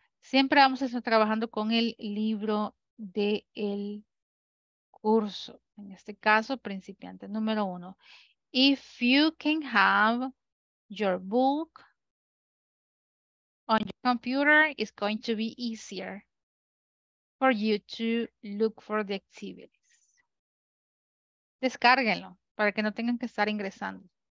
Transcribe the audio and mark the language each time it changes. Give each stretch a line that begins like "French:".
Spanish: Siempre vamos a estar trabajando con el libro del curso. En este caso, principiante número uno.
English: If you can have your book on your computer, it's going to be easier for you to look for the activity.
Spanish: Descárguenlo para que no tengan que estar ingresando.